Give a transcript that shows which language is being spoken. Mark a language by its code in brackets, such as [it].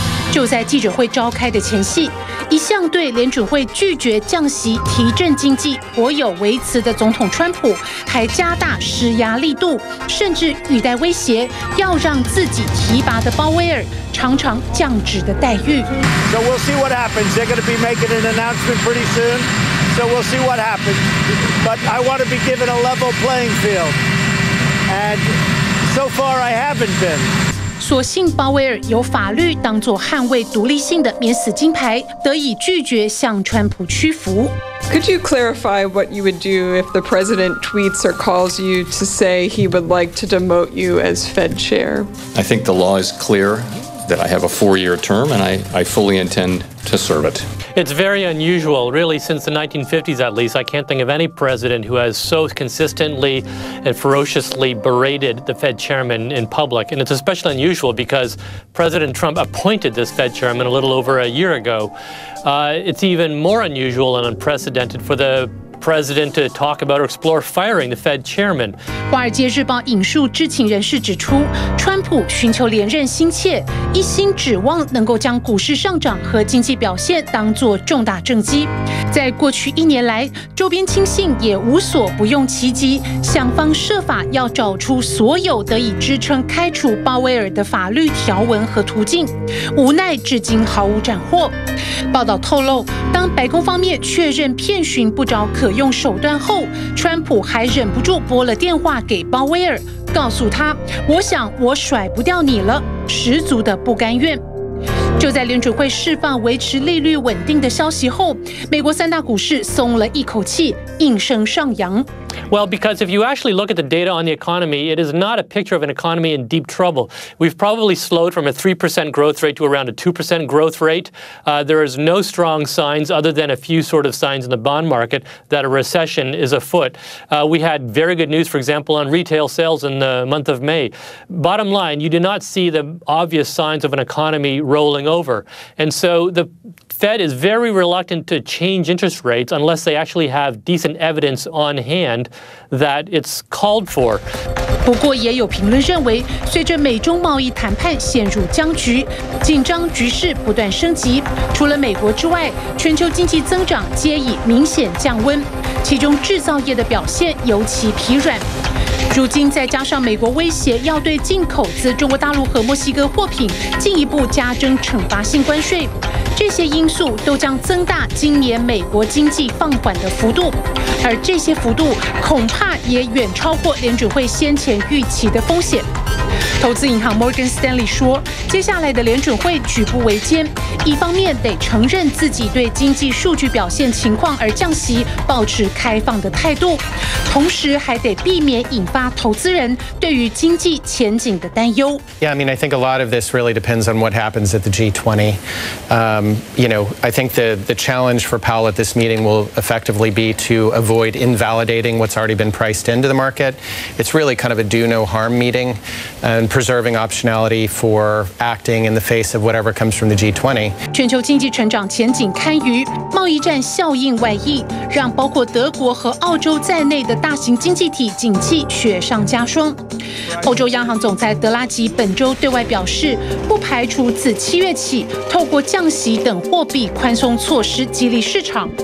[zh] 就在记者会召开的前夕，一向对联准会拒绝降息提振经济颇有微词的总统川普还加大施压力度，甚至语带威胁要让自己提拔的鲍威尔尝尝降职的待遇。 [en] So we'll see what happens. They're going to be making an announcement pretty soon. So we'll see what happens. But I want to be given a level playing field. And so far I haven't been. [zh] 所幸鲍威尔有法律当作捍卫独立性的免死金牌，得以拒绝向川普屈服。 [en] Could you clarify what you would do if the president tweets or calls you to say he would like to demote you as Fed chair? I think the law is clear that I have a four-year term, and I fully intend to serve it. It's very unusual, really, since the 1950s at least. I can't think of any president who has so consistently and ferociously berated the Fed chairman in public. And it's especially unusual because President Trump appointed this Fed chairman a little over a year ago. It's even more unusual and unprecedented for the president to talk about or explore firing the Fed chairman. [zh] 华尔街日报引述知情人士指出，川普寻求连任心切，一心指望能够将股市上涨和经济表现当作重大政绩。在过去一年来，周边亲信也无所不用其极，想方设法要找出所有得以支撑开除鲍威尔的法律条文和途径，无奈至今毫无斩获。报道透露，当白宫方面确认骗询不着可用手段后，川普还忍不住拨了电话给鲍威尔，告诉他：“我想我甩不掉你了。” 十足的不甘愿。就在联准会释放维持利率稳定的消息后，美国三大股市松了一口气，应声上扬。 [en] Well, because if you actually look at the data on the economy, it is not a picture of an economy in deep trouble. We've probably slowed from a 3% growth rate to around a 2% growth rate. There is no strong signs other than a few sort of signs in the bond market that a recession is afoot. We had very good news, for example, on retail sales in the month of May. Bottom line, you do not see the obvious signs of an economy rolling over. And so the Fed is very reluctant to change interest rates unless they actually have decent evidence on hand that it's called for. [zh] 不过也有评论认为，随着美中贸易谈判陷入僵局，紧张局势不断升级，除了美国之外，全球经济增长皆已明显降温，其中制造业的表现尤其疲软。如今再加上美国威胁要对进口自中国大陆和墨西哥货品进一步加征惩罚性关税，这些因素都将增大今年美国经济放缓的幅度，而这些幅度恐怕也远超过联准会先前预期的风险。投资银行 Morgan Stanley 说，接下来的联准会举步维艰，一方面得承认自己对经济数据表现情况而降息保持开放的态度，同时还得避免引发投资人对于经济前景的担忧。 [en] Yeah, I mean, I think a lot of this really depends on what happens at the G20. You know, I think the challenge for Powell at this meeting will effectively be to avoid invalidating what's already been priced into the market. It's really kind of a do no harm meeting. And preserving optionality for acting in the face of whatever comes from the G20. [zh] 全球经济成长前景堪虞，贸易战效应外溢，让包括德国和澳洲在内的大型经济体景气雪上加霜。欧洲央行总裁德拉吉本周对外表示，不排除自七月起透过降息等货币宽松措施激励市场。